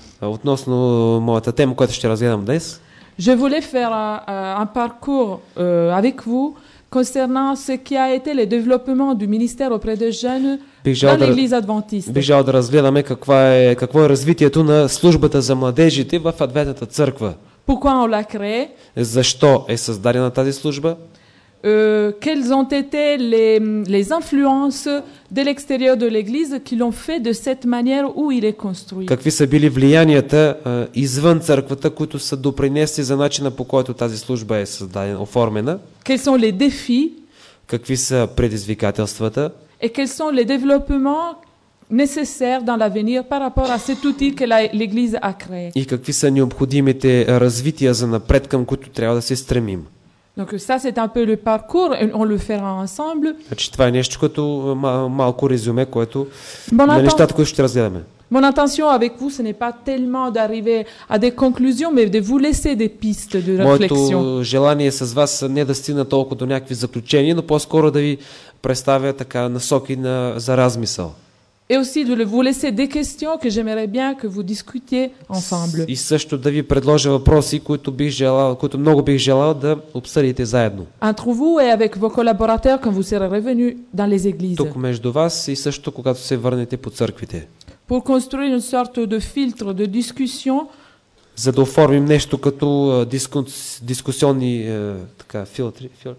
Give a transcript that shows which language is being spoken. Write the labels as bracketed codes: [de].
[bg] Относно моята тема, която ще разгледам днес. [fr] Je voulais faire un parcours avec vous concernant ce qui a été le développement du ministère auprès des jeunes dans l'église adventiste. [bg] Бих желал да разгледаме какво е развитието на службата за младежите в Адвентната църква. [fr] Pourquoi on l'a créé? [bg] Защо е създадена тази служба? [fr] Quelles ont été les influences de l'extérieur de l'église qui l'ont fait de cette manière où il est construit? [bg] Какви са били влиянията извън църквата, които са допринесли за начина, по който тази служба е създадена, оформена? [fr] Quels sont les défis? [bg] Какви са предизвикателствата? [fr] Et quels sont les développements nécessaires dans l'avenir par rapport à cet outil que l'église a créé? [bg] И какви са необходимите развития за напред, към които трябва да се стремим? [fr] Donc ça c'est un peu le parcours et on le fera ensemble. [bg] Това е нещо като малко резюме, което на нещата, които ще разгледаме. [fr] Mon intention avec vous ce n'est pas tellement d'arriver à des conclusions mais de vous laisser des pistes de réflexion. [bg] Моето желание с вас не да стигна толкова до някакви заключения, но по-скоро да ви представя така насоки за размисъл. [fr] Et aussi de vous laisser des questions que j'aimerais bien que vous discutiez ensemble. [bg] И също да ви предложа въпроси, които много бих желал да обсъдите заедно. [fr] Entre vous et avec vos collaborateurs quand vous serez revenus dans les églises. [bg] Тук между вас и също когато се върнете по църквите. [fr] Pour construire une sorte de filtre de discussion. [bg] За да оформим нещо като дискусионни така филтри.